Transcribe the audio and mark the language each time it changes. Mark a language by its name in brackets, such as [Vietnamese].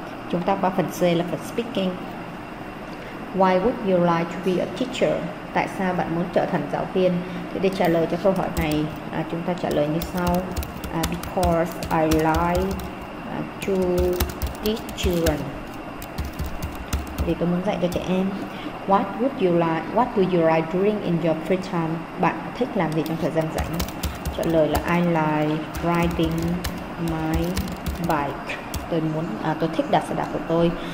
[Vietnamese] Chúng ta có phần C là phần speaking. [English] Why would you like to be a teacher? [Vietnamese] Tại sao bạn muốn trở thành giáo viên? Thì để trả lời cho câu hỏi này, chúng ta trả lời như sau. [English] Because I like to teach children. [Vietnamese] Thì tôi muốn dạy cho trẻ em. [English] What would you like? What do you like doing in your free time? [Vietnamese] Bạn thích làm gì trong thời gian rảnh? Trả lời là [English] I like riding my bike. [Vietnamese] Tôi muốn, tôi thích đạp xe đạp của tôi.